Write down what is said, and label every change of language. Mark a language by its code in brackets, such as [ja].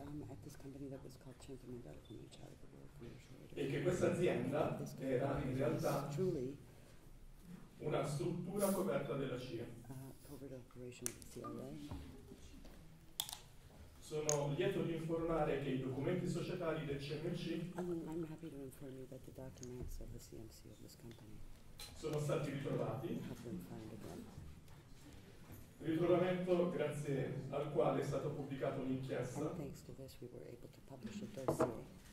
[en] At this company that was called Centro Mondiale Commerciale, [it] e che questa azienda era in realtà una struttura coperta della CIA. [en] Covert operation of the CIA. [it] Sono lieto di informare che i documenti societari del CMC [en] I'm happy to inform you that the documents of the CMC of this company [it] sono stati ritrovati. [en] Have been found again. [it] Ritrovamento grazie al quale è stata pubblicata un'inchiesta [en] and thanks to this we were able to publish a dossier